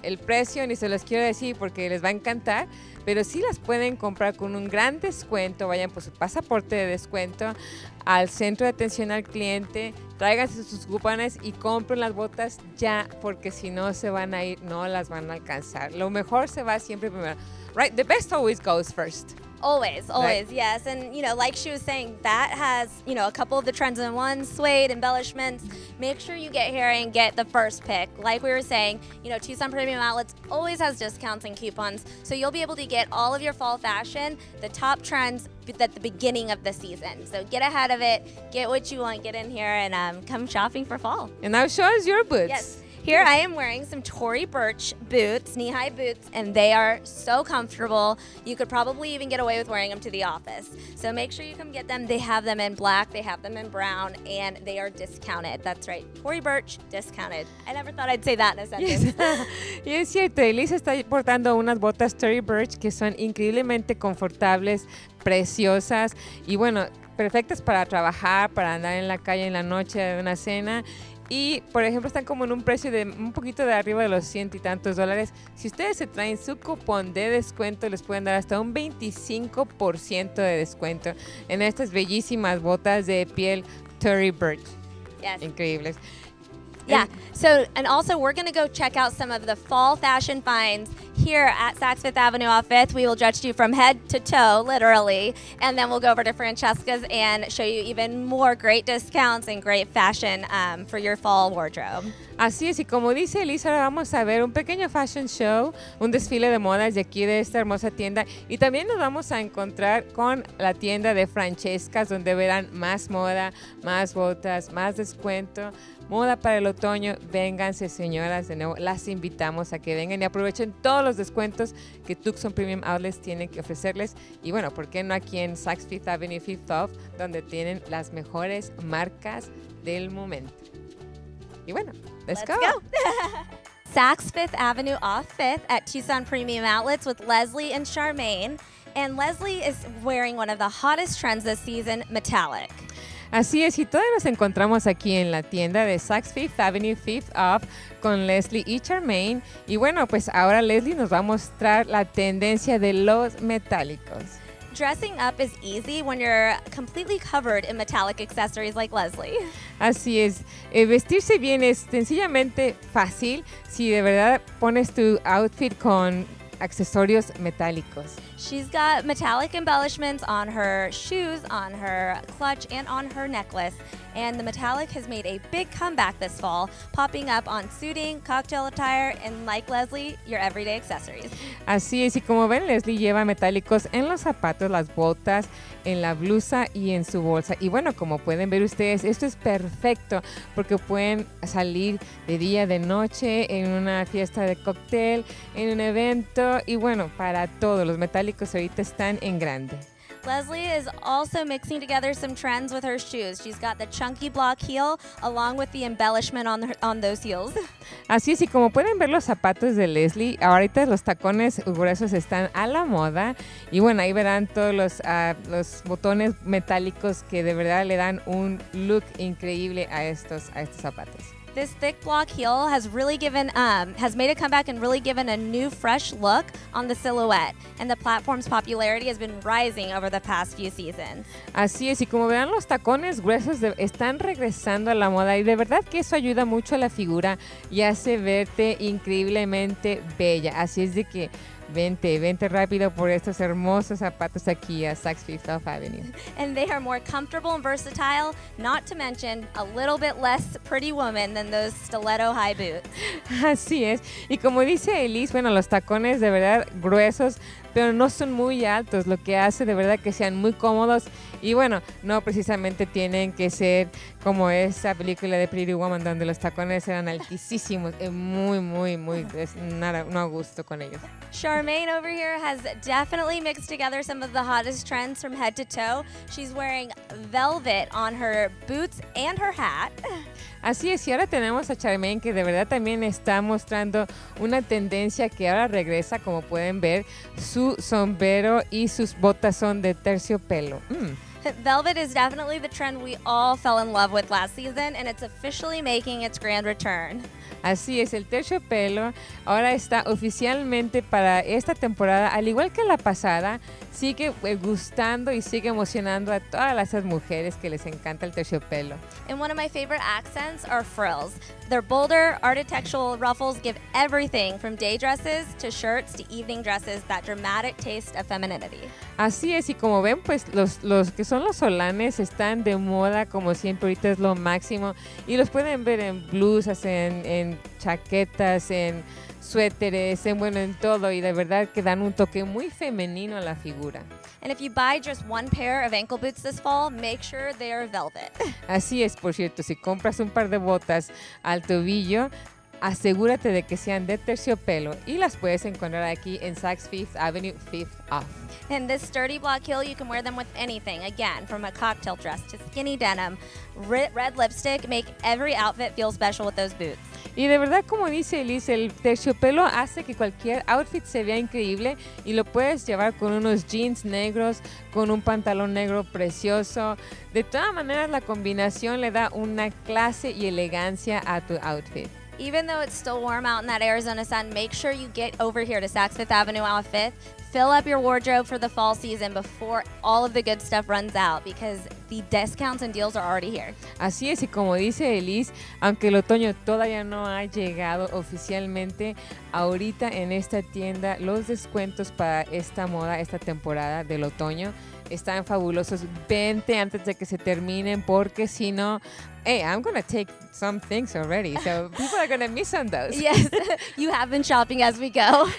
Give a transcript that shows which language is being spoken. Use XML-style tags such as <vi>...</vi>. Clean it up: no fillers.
<es>El precio ni se los quiero decir porque les va a encantar, pero sí las pueden comprar con un gran descuento. Vayan por su pasaporte de descuento al centro de atención al cliente, tráiganse sus cupones y compren las botas ya, porque si no se van a ir, no las van a alcanzar. Lo mejor se va siempre primero.</es> <en>Right, the best always goes first. Always, always, right. Yes. And, you know, like she was saying, that has, you know, a couple of the trends in one, suede, embellishments. Make sure you get here and get the first pick. Like we were saying, you know, Tucson Premium Outlets always has discounts and coupons, so you'll be able to get all of your fall fashion, the top trends, at the beginning of the season. So get ahead of it, get what you want, get in here, and come shopping for fall. And now show us your boots. Yes. Here I am wearing some Tory Burch boots, knee-high boots, and they are so comfortable. You could probably even get away with wearing them to the office. So make sure you come get them. They have them in black, they have them in brown, and they are discounted. That's right, Tory Burch discounted. I never thought I'd say that in a sentence. Yes.</en> <es>Y es cierto, Elise está portando unas botas Tory Burch que son increíblemente confortables, preciosas, y bueno, perfectas para trabajar, para andar en la calle en la noche de una cena. Y, por ejemplo, están como en un precio de un poquito de arriba de los $100 y tantos. Si ustedes se traen su cupón de descuento, les pueden dar hasta un 25% de descuento en estas bellísimas botas de piel Tory Burch.</es> <en>Yes.</en> <es>Increíbles.</es> <en>Yeah. So, and also we're going to go check out some of the fall fashion finds here at Saks Fifth Avenue off 5th. We will judge you from head to toe, literally. And then we'll go over to Francesca's and show you even more great discounts and great fashion for your fall wardrobe.</en> <es>Así es, y como dice Elisa, vamos a ver un pequeño fashion show, un desfile de modas de aquí de esta hermosa tienda. Y también nos vamos a encontrar con la tienda de Francesca's, donde verán más moda, más botas, más descuento. Moda para el otoño, vénganse, señoras, de nuevo, las invitamos a que vengan y aprovechen todos los descuentos que Tucson Premium Outlets tiene que ofrecerles. Y bueno, ¿por qué no aquí en Saks Fifth Avenue, Fifth Off, donde tienen las mejores marcas del momento? Y bueno,</es> <en>let's go. Saks Fifth Avenue off 5th at Tucson Premium Outlets with Leslie and Charmaine. And Leslie is wearing one of the hottest trends this season, metallic.</en> <es>Así es, y todavía nos encontramos aquí en la tienda de Saks Fifth Avenue, Fifth Off, con Leslie y Charmaine. Y bueno, pues ahora Leslie nos va a mostrar la tendencia de los metálicos.</es> <en>Dressing up is easy when you're completely covered in metallic accessories like Leslie.</en> <es>Así es. Vestirse bien es sencillamente fácil si de verdad pones tu outfit con accesorios metálicos.</es> <en>She's got metallic embellishments on her shoes, on her clutch, and on her necklace. And the metallic has made a big comeback this fall, popping up on suiting, cocktail attire, and like Leslie, your everyday accessories.</en> <es>Así es, y como ven, Leslie lleva metálicos en los zapatos, las botas, en la blusa y en su bolsa. Y bueno, como pueden ver ustedes, esto es perfecto porque pueden salir de día, de noche, en una fiesta de cóctel, en un evento, y bueno, para todos. Los metálicos ahorita están en grande.</es> <en>Leslie is also mixing together some trends with her shoes. She's got the chunky block heel along with the embellishment on her, on those heels.</en> <es>Así es, y como pueden ver los zapatos de Leslie, ahorita los tacones gruesos están a la moda. Y bueno, ahí verán todos los botones metálicos que de verdad le dan un look increíble a estos zapatos.</es> <en>This thick block heel has really given, has made a comeback and really given a new fresh look on the silhouette. And the platform's popularity has been rising over the past few seasons.</en> <es>Así es, y como vean, los tacones gruesos están regresando a la moda. Y de verdad que eso ayuda mucho a la figura y hace verte increíblemente bella. Así es de que vente rápido por estos hermosos zapatos aquí a Saks Fifth Avenue.</es> <en>And they are more comfortable and versatile, not to mention a little bit less pretty woman than those stiletto high boots.</en> <es>Así es. Y como dice Elise, bueno, los tacones de verdad gruesos, pero no son muy altos, lo que hace de verdad que sean muy cómodos. Y bueno, no precisamente tienen que ser como esa película de Pretty Woman, donde los tacones eran altísimos, muy, es nada, no a gusto con ellos.</es> <en>Charmaine over here has definitely mixed together some of the hottest trends from head to toe. She's wearing velvet on her boots and her hat.</en> <es>Así es, y ahora tenemos a Charmaine, que de verdad también está mostrando una tendencia que ahora regresa, como pueden ver, su sombrero y sus botas son de terciopelo.</es> <en>Velvet is definitely the trend we all fell in love with last season, and it's officially making its grand return.</en> <es>Así es, el terciopelo ahora está oficialmente para esta temporada, al igual que la pasada, sigue gustando y sigue emocionando a todas esas mujeres que les encanta el terciopelo.</es> <en>And one of my favorite accents are frills. Their bolder, architectural ruffles give everything from day dresses to shirts to evening dresses that dramatic taste of femininity.</en> <es>Así es, y como ven, pues los que son los solanes están de moda, como siempre, ahorita es lo máximo. Y los pueden ver en blusas, en chaquetas, en suéteres, en bueno, en todo, y de verdad que dan un toque muy femenino a la figura.</es> <en>And if you buy just one pair of ankle boots this fall, make sure they are velvet.</en> <es>Así es, por cierto, si compras un par de botas al tobillo, asegúrate de que sean de terciopelo y las puedes encontrar aquí en Saks Fifth Avenue, Fifth Off.</es> <en>And this sturdy block heel, you can wear them with anything, again, from a cocktail dress to skinny denim. Red lipstick, make every outfit feel special with those boots.</en> <es>Y de verdad, como dice Elise, el terciopelo hace que cualquier outfit se vea increíble y lo puedes llevar con unos jeans negros, con un pantalón negro precioso. De todas maneras, la combinación le da una clase y elegancia a tu outfit.</es> <en>Even though it's still warm out in that Arizona sun, make sure you get over here to Saks Fifth Avenue off 5th. fill up your wardrobe for the fall season before all of the good stuff runs out, because the discounts and deals are already here.</en> <es>Así es, y como dice Elise, aunque el otoño todavía no ha llegado oficialmente, ahorita en esta tienda los descuentos para esta moda, esta temporada del otoño, están fabulosos. Vente antes de que se terminen, porque si no,</es> <en>hey, I'm going to take some things already, so people are going to miss on those. Yes, you have been shopping as we go.</en>